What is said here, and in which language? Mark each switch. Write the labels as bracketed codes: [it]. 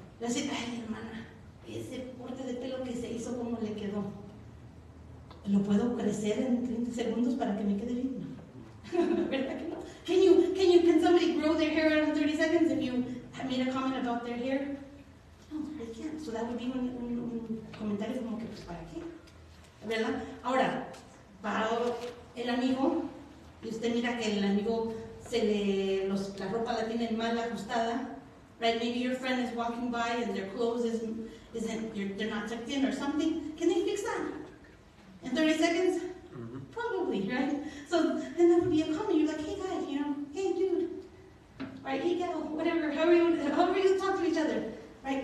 [es] Le dice, ay, hermana, ese corte de pelo que se hizo, ¿cómo le quedó? ¿Lo puedo crecer en 30 segundos para que me quede bien? No. ¿Verdad que no? [en] Can somebody grow their hair in 30 seconds if you have made a comment about their hair? No, they can't. So that would be [es] un comentario como que, pues, ¿para qué? ¿Verdad? Ahora, va el amigo, y usted mira que el amigo se le, la ropa la tiene mal ajustada, right? [en] Maybe your friend is walking by and their clothes they're not tucked in or something. Can they fix that in 30 seconds? Mm-hmm. Probably, right? So then that would be a comment. You're like, hey, guy, you know, hey, dude, right? Hey, gal, whatever, however you talk to each other, right?